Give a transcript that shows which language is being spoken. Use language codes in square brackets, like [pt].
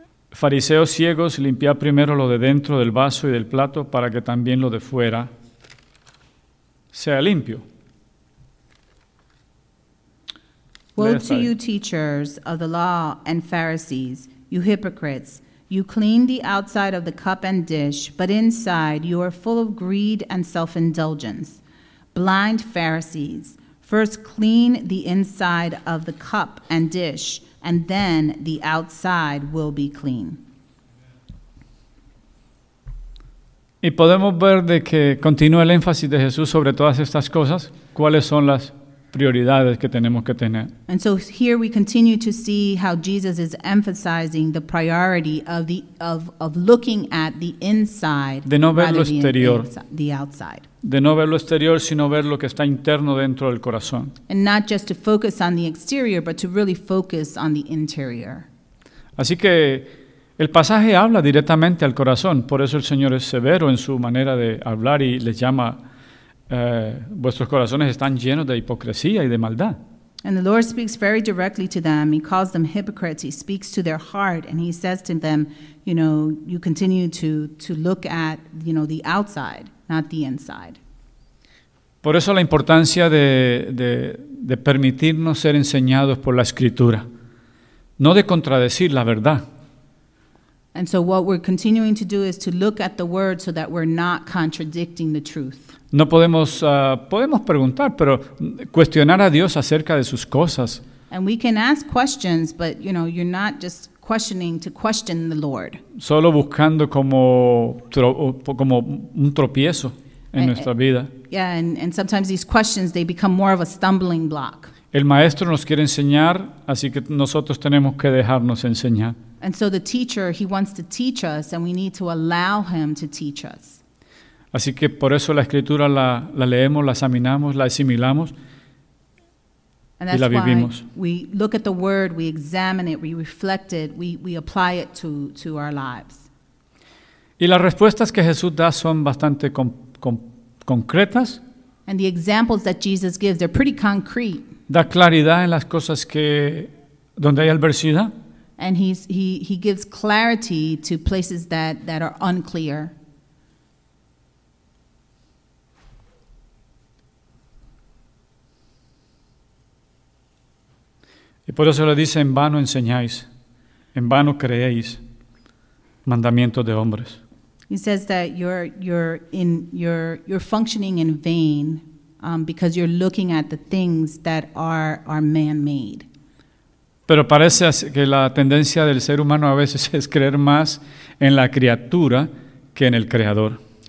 [es] Fariseos ciegos, limpiad primero lo de dentro del vaso y del plato para que también lo de fuera sea limpio. [en] Woe to you, teachers of the law and Pharisees, you hypocrites! You clean the outside of the cup and dish, but inside you are full of greed and self-indulgence. Blind Pharisees, first clean the inside of the cup and dish, and then the outside will be clean. [es] Y podemos ver de que continúa el énfasis de Jesús sobre todas estas cosas, cuáles son las prioridades que tenemos que tener. [en] And so here we continue to see how Jesus is emphasizing the priority of the of looking at the inside, [es] de no ver lo exterior, [en] the outside. [es] De no ver lo exterior, sino ver lo que está interno dentro del corazón. [en] And not just to focus on the exterior, but to really focus on the interior. [es] Así que el pasaje habla directamente al corazón, por eso el Señor es severo en su manera de hablar y les llama vuestros corazones están llenos de hipocresía y de maldad. [en] And the Lord speaks very directly to them. He calls them hypocrites. He speaks to their heart and he says to them, you know, you continue to look at, you know, the outside, not the inside. [es] Por eso la importancia de permitirnos ser enseñados por la Escritura, no de contradecir la verdad. [en] And so what we're continuing to do is to look at the word so that we're not contradicting the truth. [es] No podemos, podemos preguntar, pero cuestionar a Dios acerca de sus cosas. [en] And we can ask questions, but, you know, you're not just questioning to question the Lord. [es] Solo buscando como un tropiezo en nuestra vida. [en] Yeah, and sometimes these questions, they become more of a stumbling block. [es] El maestro nos quiere enseñar, así que nosotros tenemos que dejarnos enseñar. [en] And so the teacher, he wants to teach us, and we need to allow him to teach us. [es] Así que por eso la Escritura la leemos, la examinamos, la asimilamos y la vivimos. [en] We look at the word, we examine it, we reflect it, we apply it to our lives. [es] Y las respuestas que Jesús da son bastante concretas. [en] And the examples that Jesus gives, they're pretty concrete. [es] Da claridad en las cosas que donde hay adversidad. [en] And he gives clarity to places that are unclear. [es] Y por eso le dice, en vano enseñáis, en vano creéis, mandamientos de hombres. [en] He says that you're functioning in vain because you're looking at the things that are man-made. [es] Pero parece que la tendencia del ser humano a veces es creer más en la criatura que en el Creador.